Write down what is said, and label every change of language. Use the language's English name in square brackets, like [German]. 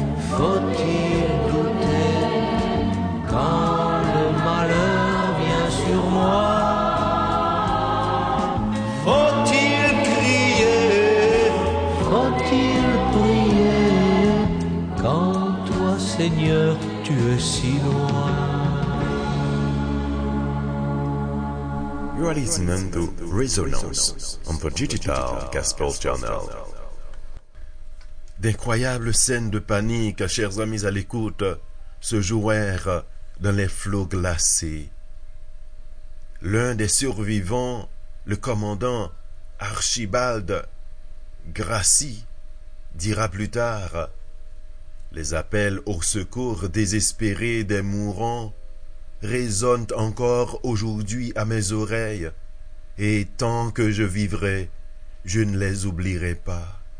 [French] Faut-il douter quand le malheur vient sur moi? Faut-il crier? Faut-il prier quand toi, Seigneur, tu es si loin? [English] You are listening to Resonance on the Digital Gospel Channel. [French] D'incroyables scènes de panique, chers amis à l'écoute, se jouèrent dans les flots glacés. L'un des survivants, le commandant Archibald Grassi, dira plus tard: les appels au secours désespérés des mourants résonnent encore aujourd'hui à mes oreilles, et tant que je vivrai, je ne les oublierai pas.